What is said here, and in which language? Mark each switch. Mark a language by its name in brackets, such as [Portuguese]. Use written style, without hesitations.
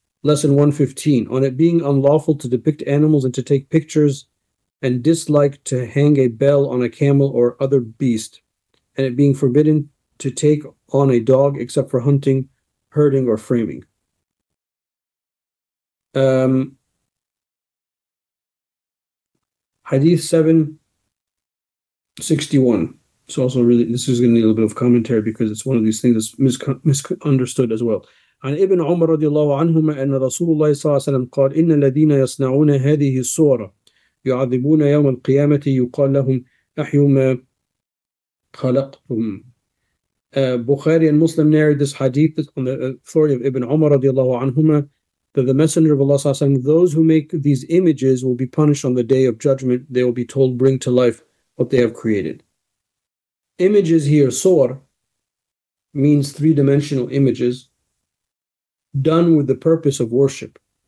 [English] Lesson 115. On it being unlawful to depict animals and to take pictures, and dislike to hang a bell on a camel or other beast, and it being forbidden to take on a dog except for hunting, herding, or framing. Hadith 761. It's also really, this is going to need a little bit of commentary because it's one of these things that's misunderstood as well. [Arabic] عن ابن عمر رضي الله عنهما أن رسول الله صلى الله عليه وسلم قال إن الذين يصنعون هذه الصورة يعذبون يوم القيامة يقال لهم أحيوا ما خلقتم. [English] Bukhari and Muslim narrate this hadith on the authority of Ibn Umar رضي الله عنهما, that the Messenger of Allah صلى الله عليه وسلم, those who make these images will be punished on the day of judgment. They will be told, bring to life what they have created. Images here, sawr, means three-dimensional images done with the purpose of worship.